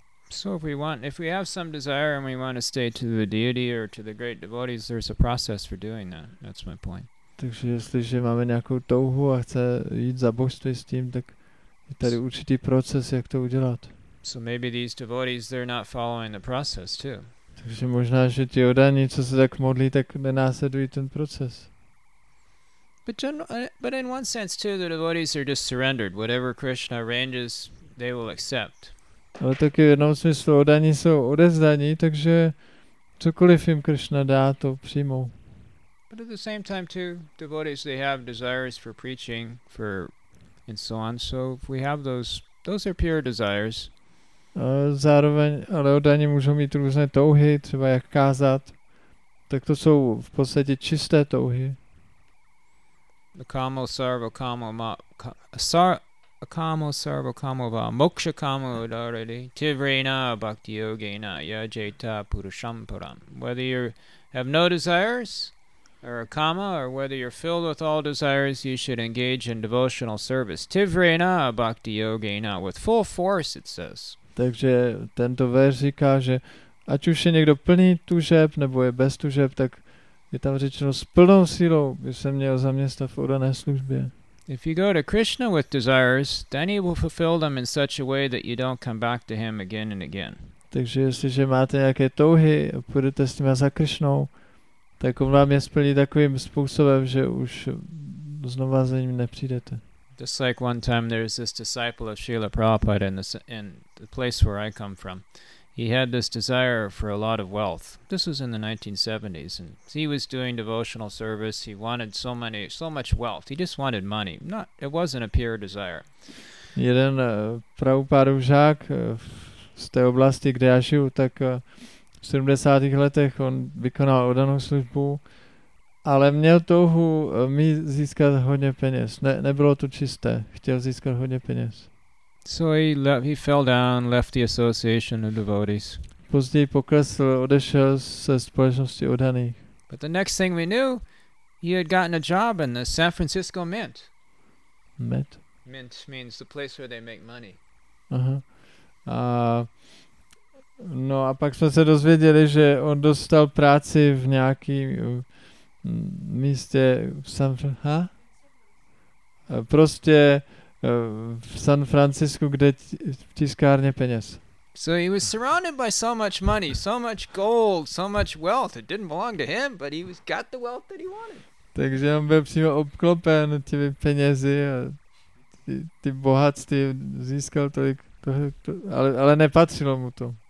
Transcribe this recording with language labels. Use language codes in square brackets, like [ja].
[en] So if we want, if we have some desire and we want to stay to the deity or to the great devotees, there's a process for doing that. That's my point. [cs] Takže jestliže máme nějakou touhu a chce jít za božství s tím, tak je tady určitý proces, jak to udělat. [en] So maybe these devotees, they're not following the process too. [cs] Takže možná, že ti odaní, co se tak modlí, tak nenásledují ten proces. [en] But in one sense too, the devotees are just surrendered. Whatever Krishna arranges, they will accept. [cs] Ale taky v jednom smyslu odaní jsou odezdaní, takže cokoliv jim Krishna dá, to přijmou. [en] But at the same time too, devotees, they have desires for preaching, for and so on. So if we have those are pure desires. [cs] Zároveň, ale odaní můžou mít různé touhy, třeba jak kázat, tak to jsou v podstatě čisté touhy. [sa] Kamo sarva kamo ma sarva kamo sarva kamo va moksha kamo udarati tivrena bhakti yogena yajeta purusham param. [en] Whether you have no desires or a kama, or whether you're filled with all desires, you should engage in devotional service. [sa] Tivrena bhakti yogena, [en] with full force, it says. [cs] Takže tento verš říká, že ať už je někdo plný tužeb nebo je bez tužeb, tak je tam řečeno, s plnou sílou by se měl zaměstnat v oddané službě. [en] If you go to Krishna with desires, then he will fulfill them in such a way that you don't come back to him again and again. [cs] Takže jestliže máte nějaké touhy a půjdete s nima za Krishnou, tak on vám je splní takovým způsobem, že už znova za ním nepřijdete. [en] Just like one time there's this disciple of Srila Prabhupada in the place where I come from. He had this desire for a lot of wealth. This was in the 1970s, and he was doing devotional service. He wanted so much wealth. He just wanted money. Not, it wasn't a pure desire. [cs] Jeden Prabhupádův žák z té oblasti, kde já žiju, tak v 70. letech on vykonal oddanou službu, ale měl touhu získat hodně peněz. Nebylo to čisté. Chtěl získat hodně peněz. [en] So he fell down, left the association of devotees. [cs] Později poklesl, odešel ze společnosti odaných. [en] But the next thing we knew, he had gotten a job in the San Francisco Mint. Mint? Mint means the place where they make money. Aha. [cs] No a pak jsme se dozvěděli, že on dostal práci v nějakém místě v San Francisco. Prostě v San Francisco, kde v tiskárně peněz. [en] So he was surrounded by so much money, so much gold, so much wealth. It didn't belong to him, but he was got the wealth that he wanted. [cs] Takže on byl přímo obklopen těmi penězi a ty bohatství získal tolik, ale nepatřilo mu to.